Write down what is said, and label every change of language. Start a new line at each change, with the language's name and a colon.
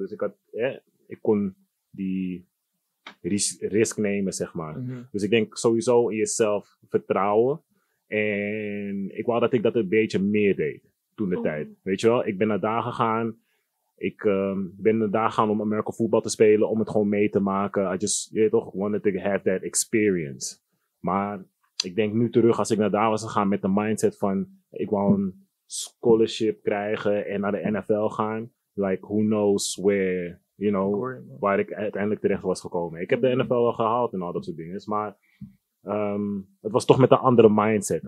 Dutch: Dus ik had... ik kon die... risk nemen, zeg maar. Mm-hmm. Dus ik denk sowieso in jezelf vertrouwen. En ik wou dat ik dat een beetje meer deed toen de tijd. Weet je wel, ik ben naar daar gegaan. Ik ben naar daar gegaan om American voetbal te spelen, om het gewoon mee te maken.
English: Wanted to have that experience.
Dutch: Maar ik denk nu terug, als ik naar daar was gegaan met de mindset van, ik wou een scholarship krijgen en naar de NFL gaan.
English: Like, who knows where... You know,
Dutch: waar ik uiteindelijk terecht was gekomen. Ik heb de NFL wel gehaald en al dat soort dingen. Maar het was toch met een andere mindset.